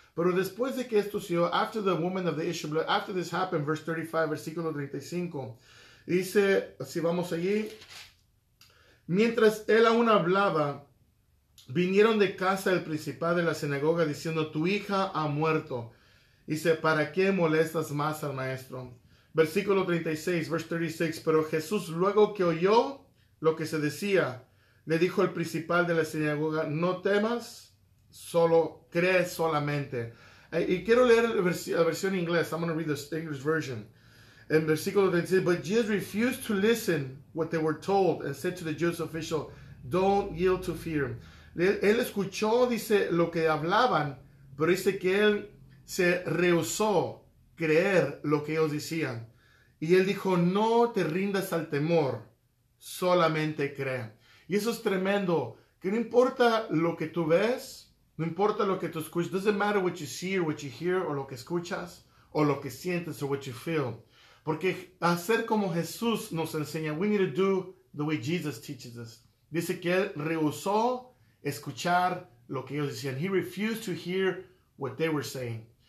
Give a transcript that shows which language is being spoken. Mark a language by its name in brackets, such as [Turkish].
[Spanish] Pero después de que esto se dio, [English] after the woman of the issue of blood, after this happened, verse 35, [Spanish] versículo 35, dice, si vamos allí, mientras él aún hablaba, vinieron de casa el principal de la sinagoga diciendo, tu hija ha muerto. Dice, ¿para qué molestas más al maestro? Versículo 36, [English] verse 36. [Spanish] Pero Jesús, luego que oyó lo que se decía, le dijo al principal de la sinagoga, no temas, solo cree solamente. Y quiero leer la versión en inglés. [English] I'm going to read the English version. [Spanish] En versículo 36, [English] but Jesus refused to listen what they were told and said to the Jewish official, don't yield to fear. [Spanish] Él escuchó, dice, lo que hablaban, pero dice que él se rehusó creer lo que ellos decían. Y él dijo, no te rindas al temor, solamente crea. Y eso es tremendo, que no importa lo que tú ves, no importa lo que tú escuchas, [English] doesn't matter what you see or what you hear, [Spanish] o lo que escuchas, o lo que sientes, o [English] what you feel. [Spanish] Porque hacer como Jesús nos enseña, [English] we need to do the way Jesus teaches us. [Spanish] Dice que él rehusó escuchar lo que ellos decían. [English] He refused to hear what they were saying.